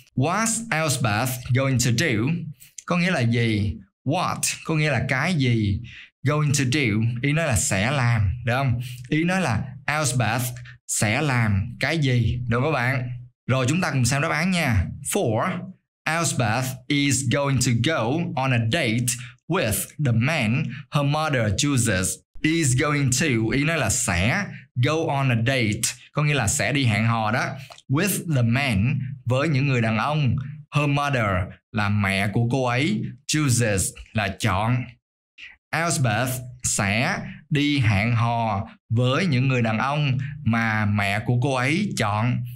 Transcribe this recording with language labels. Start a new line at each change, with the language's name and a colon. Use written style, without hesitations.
English: What's Elspeth going to do?
Vietnamese: Có nghĩa là gì?
English: What?
Vietnamese: Có nghĩa là cái gì?
English: Going to do?
Vietnamese: Ý nói là sẽ làm, đúng không? Ý nói là Elspeth sẽ làm cái gì, đúng không bạn? Rồi, chúng ta cùng xem đáp án nha. 4.
English: Elspeth is going to go on a date with the man her mother chooses. Is going to,
Vietnamese: ý nói là sẽ,
English: go on a date,
Vietnamese: có nghĩa là sẽ đi hẹn hò đó,
English: with the man,
Vietnamese: với những người đàn ông,
English: her mother,
Vietnamese: là mẹ của cô ấy,
English: chooses,
Vietnamese: là chọn. Elspeth sẽ đi hẹn hò với những người đàn ông mà mẹ của cô ấy chọn.